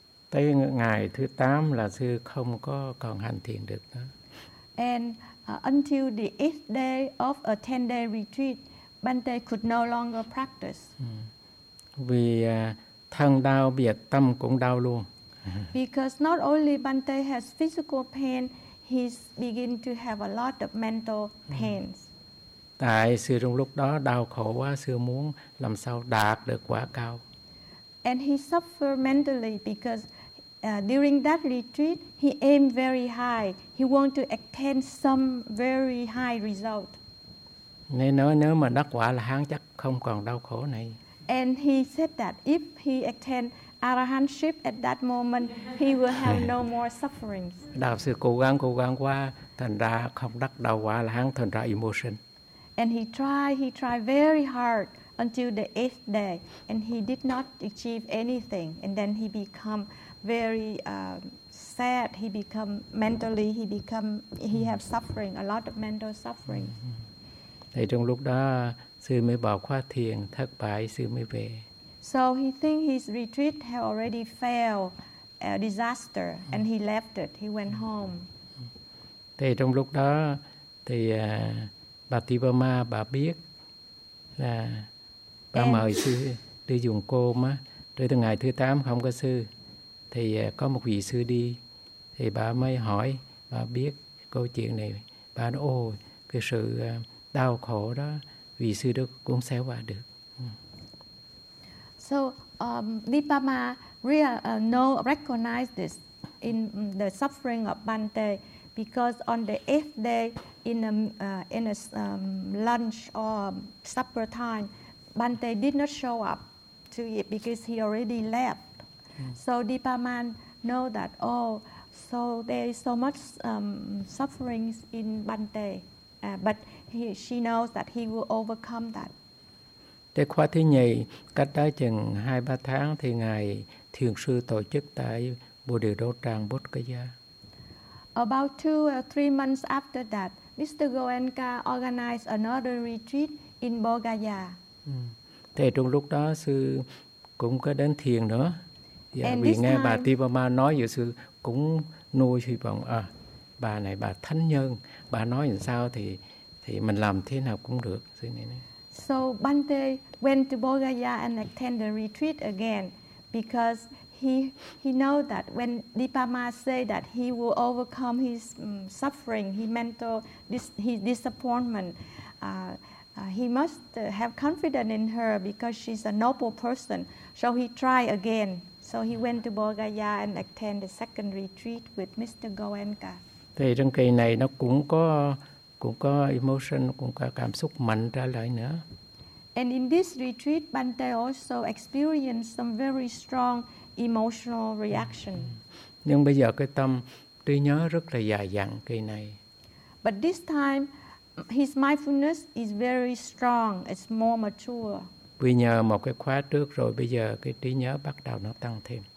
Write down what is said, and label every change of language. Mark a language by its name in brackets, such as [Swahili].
[Vietnamese] Tới ngày thứ 8 là sư không có còn hành thiền được nữa. [English] And until the 8th day of a 10 day retreat, Bhante could no longer practice. [Vietnamese] Vì thân đau, biệt tâm cũng đau luôn. [English] Because not only Bhante has physical pain, he's begin to have a lot of mental pains. [Vietnamese] Tại sư trong lúc đó đau khổ quá, sư muốn làm sao đạt được quả cao. [English] And he suffer mentally because during that retreat, he aimed very high. He wanted to attain some very high result. [Vietnamese] Nếu mà đắc quả là hắn chắc không còn đau khổ này. [English] And he said that if he attained arahantship at that moment, he will have no more sufferings. [Vietnamese] Đạo sư cố gắng quá, thành ra không đắc đạo quả là hắn thành ra emotion. [English] And he tried very hard until the 8th day, and he did not achieve anything, and then he become very sad. He become mentally. He have suffering. A lot of mental suffering. [Vietnamese] Thì trong lúc đó, sư mới bỏ khóa thiền, thất bại, sư mới về. [English] So he think his retreat have already failed, a disaster, and he left it. He went home. [Vietnamese] Thì trong lúc đó, thì bà Tibama bà biết là bà mời sư đi dùng cơm á. Rồi từ ngày thứ 8 không có sư, thì có một vị sư đi, thì bà mới hỏi, bà biết câu chuyện này. Bà nói, ồ, cái sự đau khổ đó, vị sư đó cũng xéo qua được. [English] So, Dipama recognized this in the suffering of Bhante, because on the eighth day, lunch or supper time, Bhante did not show up to eat because he already left. So Dipaman know that, oh, so there is so much suffering in Bhante, but she knows that he will overcome that. [Vietnamese] Cái khóa thứ nhì, cách đó chừng 2-3 tháng thì Ngài Thiền Sư tổ chức tại Bồ Đề Đô Tràng Bút Cơ Gia. [English] About 2-3 months after that, Mr. Goenka organized another retreat in Bodhgaya. [Vietnamese] Thì trong lúc đó sư cũng có đến thiền nữa. Và and vì nghe time, bà Tipama nói vậy sư cũng nuôi hy vọng à, bà này bà thánh nhân, bà nói làm sao thì mình làm thế nào cũng được. Sư này nói. [English] So Bhante went to Bodhgaya and attended the retreat again because he know that when Dipama say that he will overcome his suffering, his mental his disappointment, he must have confidence in her because she's a noble person. So he try again. So he went to Bodhgaya and attend the second retreat with Mr. Goenka. [Vietnamese] Thì trong kỳ này nó cũng có emotion, cũng có cảm xúc mạnh ra lại nữa. [English] And in this retreat, Bhante also experienced some very strong emotional reaction. Nhưng bây giờ cái tâm trí nhớ rất là dài dặn kỳ này. But this time, his mindfulness is very strong. It's more mature. [Vietnamese] Vì nhờ một cái khóa trước rồi, bây giờ cái trí nhớ bắt đầu nó tăng thêm.